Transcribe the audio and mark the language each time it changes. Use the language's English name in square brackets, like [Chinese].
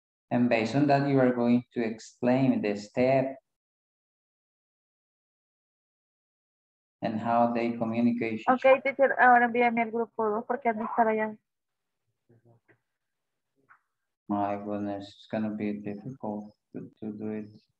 [English] And based on that, you are going to explain the step and how they communicate. Okay, teacher, [Spanish] ahora envíame al grupo 2 porque ando estar allá. [English] My goodness, it's going to be difficult to do it.